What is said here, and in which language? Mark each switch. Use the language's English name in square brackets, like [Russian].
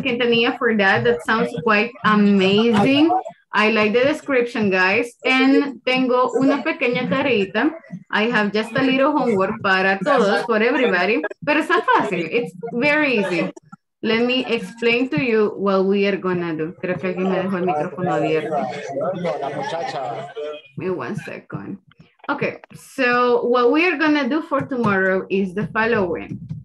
[English] Quintanilla, for that. That sounds quite amazing. I like the description, guys. And [Spanish] tengo una pequeña tareita. [English] I have just a little homework [Spanish] para todos, [English] for everybody. [Spanish] Pero está fácil. [English] It's very easy. Let me explain to you what we are gonna do. [Spanish] Creo que alguien me dejó el micrófono abierto. [English] Give me 1 second. Okay, so what we are gonna do for tomorrow is the following.